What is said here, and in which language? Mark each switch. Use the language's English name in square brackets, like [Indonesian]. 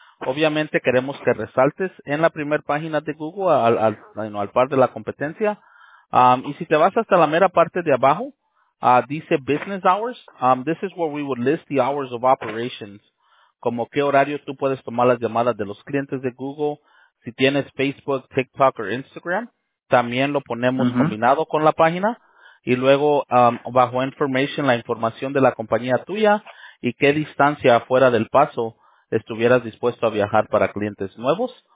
[Spanish] Obviamente queremos que resaltes en la primer página de Google al par de la competencia. Y si te vas hasta la mera parte de abajo, dice Business Hours. [English] This is where we would list the hours of operations. [Spanish] Como qué horario tú puedes tomar las llamadas de los clientes de Google. Si tienes Facebook, TikTok o Instagram, también lo ponemos uh-huh. combinado con la página. Y luego, bajo Information, la información de la compañía tuya y qué distancia afuera del paso estuvieras dispuesto a viajar para clientes nuevos.